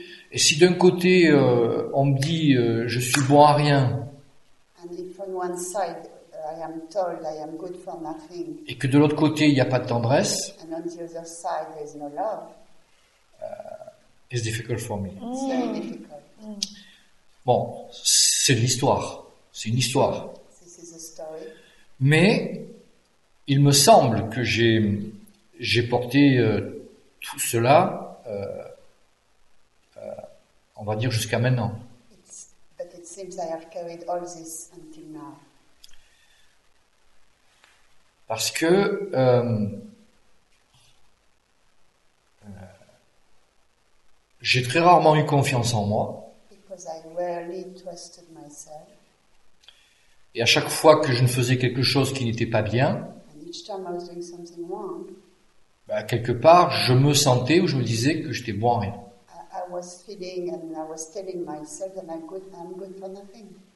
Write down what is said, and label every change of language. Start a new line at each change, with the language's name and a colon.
French: Et si d'un côté on me dit je suis bon à rien,
English: I am told I am good for nothing.
French: Et que de l'autre côté, il n'y a pas de tendresse.
English: And on the other side, there is no love. It's difficult for me. It's very difficult.
French: Bon, c'est l'histoire. C'est une histoire.
English: This is a story.
French: Mais il me semble que j'ai porté tout cela, on va dire jusqu'à maintenant.
English: But it seems I have carried all this until now.
French: Parce que j'ai très rarement eu confiance en moi.
English: Because I rarely trusted myself.
French: Et à chaque fois que je ne faisais quelque chose qui n'était pas bien,
English: and each time I was doing something wrong,
French: bah, quelque part, je me sentais ou je me disais que j'étais bon à rien.
English: I was feeling and I was telling myself that I'm good for nothing.